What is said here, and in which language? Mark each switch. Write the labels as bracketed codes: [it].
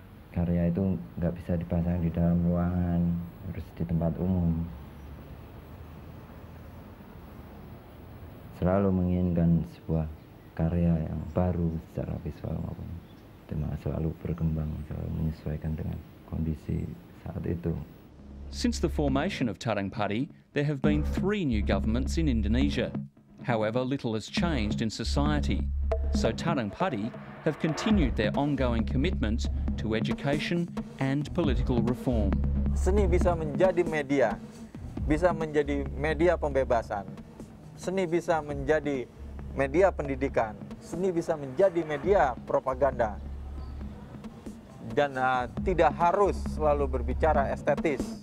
[id] Karya itu nggak bisa dipasang di dalam ruangan, harus di tempat umum. Selalu menginginkan sebuah karya yang baru secara visual maupun tema, selalu berkembang, selalu menyesuaikan dengan kondisi saat itu. [en] Since the formation of Tarang Padi, there have been three new governments in Indonesia. However, little has changed in society. So Tarang Padi have continued their ongoing commitment to education and political reform. [id] Seni bisa menjadi media, bisa menjadi media pembebasan. Seni bisa menjadi media pendidikan. Seni bisa menjadi media propaganda. Dan tidak harus selalu berbicara estetis.